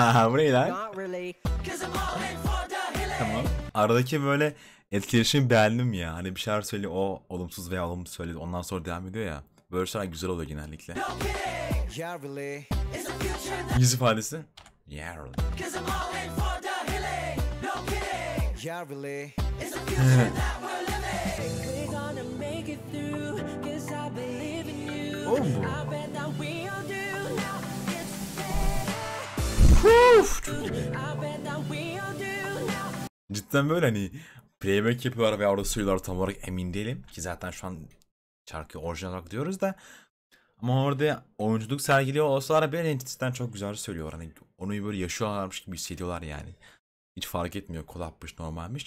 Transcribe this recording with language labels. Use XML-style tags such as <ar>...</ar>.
<tr>Bu ne lan? Tamam. Aradaki böyle etkileşimi beğendim ya. Hani bir şeyler söyledi, o olumsuz veya olumsuz söyledi. Ondan sonra devam ediyor ya. Böyle şeyler güzel oluyor genellikle.</tr> <en>Yeah, really.</en> <tr>Yüz ifadesi.</tr> <en>Yeah really. Cause I'm all in for the healing. No kidding. Yeah really. It's a future that we're living. We're gonna make it through. Cause I believe in you. Oh. I bet that we all do. Now it's better. I bet that we all do.</en> <tr>Cidden böyle hani playback yapıyorlar veya orada söylüyorlar tam olarak emin değilim. Ki zaten şu an şarkıyı orijinal olarak diyoruz da. Ama orada oyunculuk sergiliyor olsalar ben cidden çok güzel söylüyorlar. Hani onu böyle yaşıyorlarmış gibi hissediyorlar yani. Hiç fark etmiyor kolapmış normalmiş.</tr>